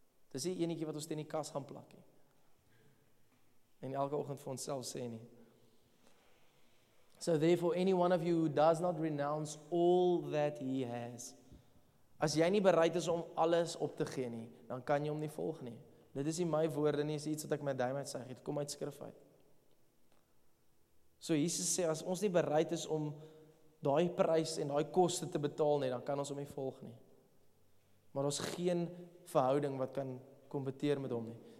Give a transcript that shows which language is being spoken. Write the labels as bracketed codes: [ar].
[af] Dis die enetjie wat ons teen die kas gaan plak. En elke oggend vir onsself sê nie. [en] So therefore any one of you who does not renounce all that he has. [af] As jy nie bereid is om alles op te gee nie, dan kan jy hom nie volg nie. Dit is nie my woorde nie, is iets wat ek my duim uitsuig het, kom uit skrif uit. So Jesus sê, as ons nie bereid is om daai prys en daai koste te betaal nie, dan kan ons hom nie volg nie. Maar ons geen verhouding wat kan kompeteer met hom nie.